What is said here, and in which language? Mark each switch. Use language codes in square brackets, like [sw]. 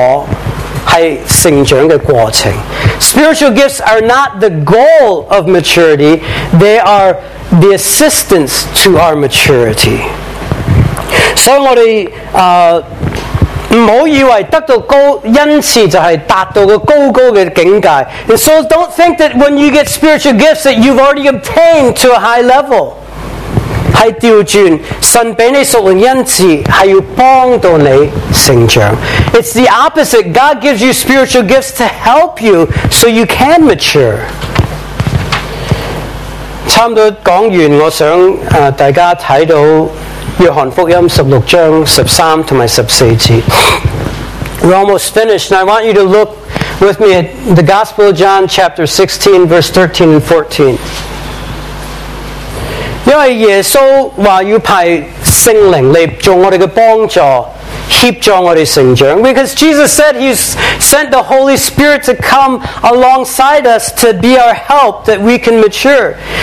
[zh] 不是成长的结果，是成长的过程。 [en] Spiritual gifts are not the goal of maturity, they are the assistance to our maturity. [zh] 所以我们 不要以为得到恩赐就是达到个高高的境界。 [en] And so don't think that when you get spiritual gifts that you've already obtained to a high level. [zh] 是调转，神给你属灵恩赐是要帮助你成长。 [en] It's the opposite. God gives you spiritual gifts to help you so you can mature. [zh] 差不多讲完，我想大家睇到《约翰福音》16章13和14节。 [en] We're almost finished, and I want you to look with me at the Gospel of John, chapter 16, verse 13 and 14. [zh] 因为耶稣说要派圣灵来做我们的帮助，协助我们成长。 [en] Because Jesus said He's sent the Holy Spirit to come alongside us to be our help that we can mature.